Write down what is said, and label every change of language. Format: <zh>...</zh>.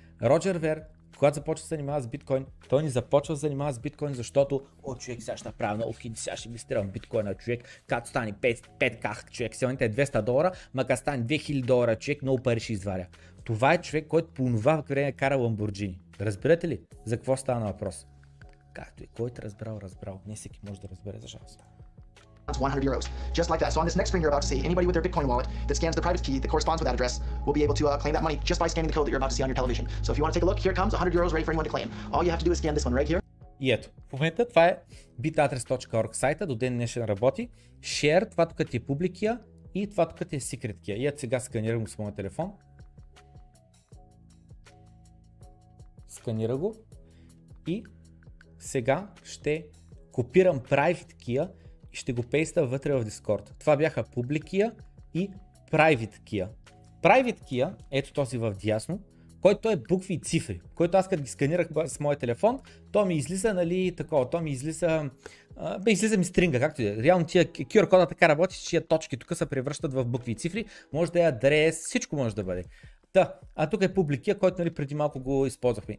<bg>Роджер Вер, когато започва да се занимава с биткоин, той не започва да занимава с биткоин, защото о, човек, сега ще направя много хит, сега ще инвестирам биткоина, човек, като стане 5 ках, човек, сегоните е 200 долара, мака стане 2000 долара, човек, много пари ще изваря. Това е човек, който по това време кара Ламборджини. Разбирате ли? За какво стана въпрос? Както и който разбрал, разбрал. Не всеки може да разбере, за жалост.</bg> <en>100 euros. Just like that. So on this next screen you're about to see, anybody with their Bitcoin wallet that scans the private key that corresponds with that address will be able to claim that money just by scanning the code that you're about to see on your television. So if you want to take a look, here comes 100 euros ready for anyone to claim. All you have to do is scan this one right here.</en> <bg>И ето, в момента това е bitaddress.org сайта, до ден днешен работи. Share, това тук ти е публикия и това тук ти е секрет кия. И ето сега сканирам го с моя телефон. Сканира го. И сега ще копирам private key-а. И ще го пейста вътре в Discord. Това бяха Public Key и Private Key. Private Key, ето този в дясно, който е букви и цифри. Който аз като ги сканирах с моя телефон, то ми излиза, нали, такова, то ми излиза... излиза ми стринга, както и да. Реално тия QR кода така работи, че тия точки тук се превръщат в букви и цифри. Може да е адрес, всичко може да бъде. Та, а тук е Public Key, който, нали, преди малко го използвахме.</bg>